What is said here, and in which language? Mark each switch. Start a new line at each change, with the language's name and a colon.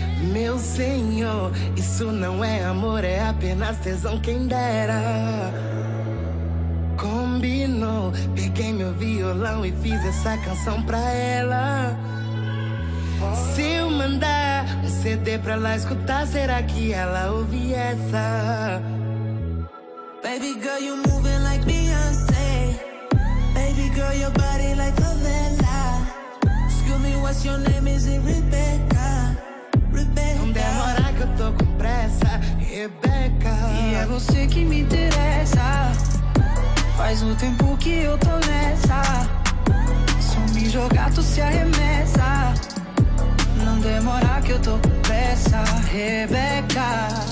Portuguese: Meu senhor, isso não é amor, é apenas tesão, quem dera. Combinou, peguei meu violão e fiz essa canção pra ela. Se eu mandar um CD pra ela escutar, será que ela ouve essa?
English: Baby girl, you moving like Beyonce. Baby girl, your body like favela. Excuse me, what's your name? Is it Rebecca?
Portuguese: Não demora que eu tô com pressa, Rebeca. E é você que me interessa. Faz um tempo que eu tô nessa. Se eu me jogar, tu se arremessa. Não demora que eu tô com pressa, Rebeca.